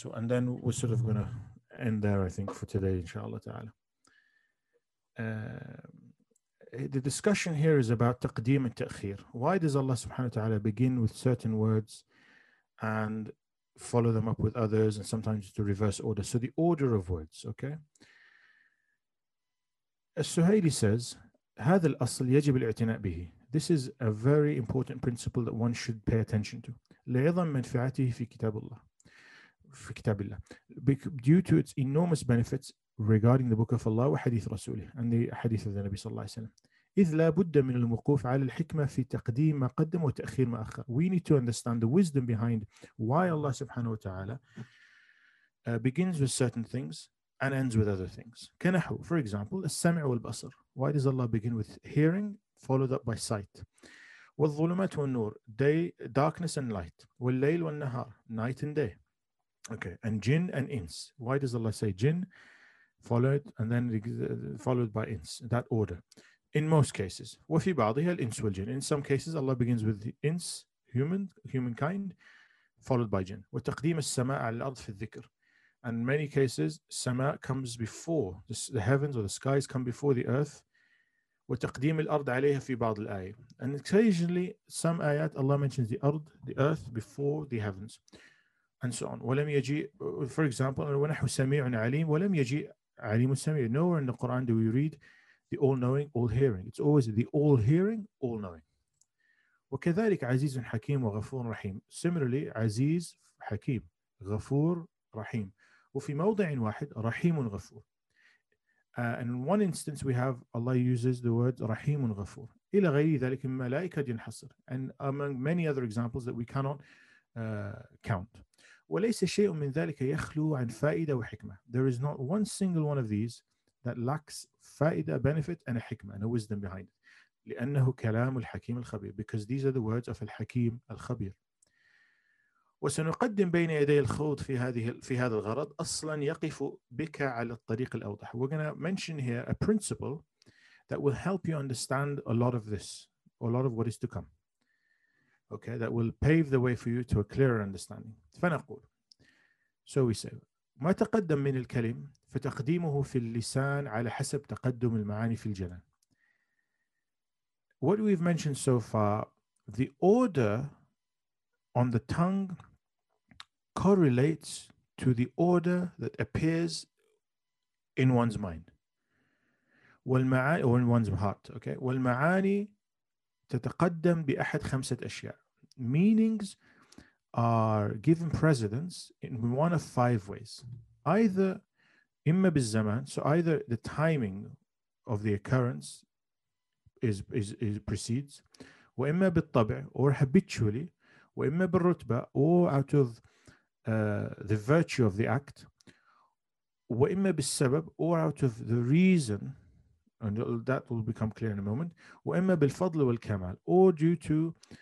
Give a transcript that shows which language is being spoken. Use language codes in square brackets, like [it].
[en] So, and then we're sort of going to end there, I think, for today, inshallah ta'ala. The discussion here is about taqdeem and ta'khir. Why does Allah subhanahu wa ta'ala begin with certain words and follow them up with others and sometimes to reverse order? So the order of words, okay? As-Suhaili says, [ar] هذا الأصل يجب الاعتناء به. [en] This is a very important principle that one should pay attention to. [ar] لعظم منفعته في كتاب الله. في كتاب الله. [en] Due to its enormous benefits regarding the book of Allah [ar] وحديث رسوله [en] and the hadith of the Nabi [ar] صلى الله عليه وسلم. إذ لا بد من الوقوف على الحكمة في تقديم ما قدم وتأخير ما أخر. [en] We need to understand the wisdom behind why Allah [ar] سبحانه وتعالى [en] begins with certain things and ends with other things. [ar] كنحو, [en] for example, [ar] السمع والبصر. [en] Why does Allah begin with hearing, followed up by sight? [ar] والظلمات والنور, [en] day, darkness and light. [ar] والليل والنهار, [en] night and day. Okay, and jinn and ins. Why does Allah say jinn, followed and then followed by ins, that order. In most cases. [ar] وفي بعضها الإنس والجن. [en] In some cases, Allah begins with the ins, humankind, followed by jinn. [ar] وتقديم السماء على الأرض في الذكر. [en] And in many cases, sama comes before the heavens or the skies come before the earth. [ar] وتقديم الأرض عليها في بعض الآية. [en] And occasionally, some ayat Allah mentions the earth, before the heavens, and so on. [ar] ولم يجي, [en] for example, [ar] ونحو سميع عليم ولم يجي عليم السميع. [en] Nowhere in the Quran do we read the all-knowing, all-hearing. It's always the all-hearing, all-knowing. [ar] وكذلك عزيز حكيم وغفور رحيم. [en] Similarly, [ar] عزيز حكيم غفور رحيم. وفي موضع واحد رحيم غفور. [en] And in one instance we have Allah uses the word [ar] رحيم غفور. إلى غير ذلك مما لا يكاد ينحصر. [en] And among many other examples that we cannot count. [ar] وليس شيء من ذلك يخلو عن فائدة وحكمة. [en] There is not one single one of these that lacks فائدة, benefit and a حكمة and a wisdom behind it. [ar] لأنه كلام الحكيم الخبير. [en] Because these are the words of [ar] الحكيم الخبير. وسنقدم بين يدي الخوض في هذه في هذا الغرض اصلا يقف بك على الطريق الاوضح. [en] We're going to mention here a principle that will help you understand a lot of this, a lot of what is to come. Okay, that will pave the way for you to a clearer understanding. [ar] فنقول. [en] So we say, [ar] ما تقدم من الكلم فتقديمه في اللسان على حسب تقدم المعاني في الجنة. [en] What we've mentioned so far, the order on the tongue correlates to the order that appears in one's mind. Or in one's heart. Okay. [ar] والمعاني تتقدم بأحد خمسة أشياء. [en] Meanings are given precedence in one of five ways. Either [ar] imma bizaman, [en] so either the timing of the occurrence is precedes, [ar] wa imma bittabi, [en] or habitually, [ar] wa imma birrutba, [en] or out of the virtue of the act, [ar] wa imma bisabab, [en] or out of the reason, and that will become clear in a moment, [ar] wa imma bilfadl wal kamal, [en] or due to